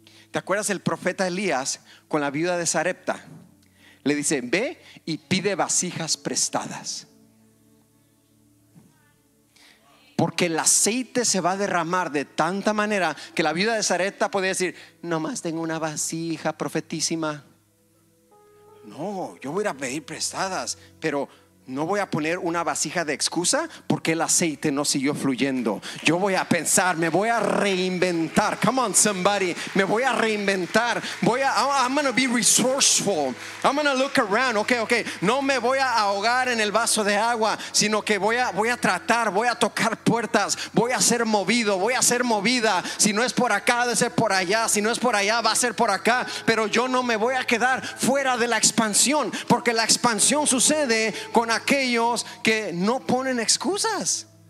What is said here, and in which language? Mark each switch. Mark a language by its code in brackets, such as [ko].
[es] ¿Te acuerdas el profeta Elías con la viuda de Sarepta? Le dice: ve y pide vasijas prestadas, porque el aceite se va a derramar de tanta manera que la viuda de Sarepta podía decir: nomás tengo una vasija, profetísima. No, yo voy a pedir prestadas, pero no voy a poner una vasija de excusa porque el aceite no siguió fluyendo. Yo voy a pensar, me voy a reinventar. [en] Come on, somebody. [es] Me voy a reinventar. [en] I'm going to be resourceful. I'm going to look around. Okay. [es] No me voy a ahogar en el vaso de agua, sino que voy a tratar, voy a tocar puertas. Voy a ser movido, voy a ser movida. Si no es por acá, debe ser por allá. Si no es por allá, va a ser por acá. Pero yo no me voy a quedar fuera de la expansión, porque la expansión sucede con aquellos que no ponen excusas.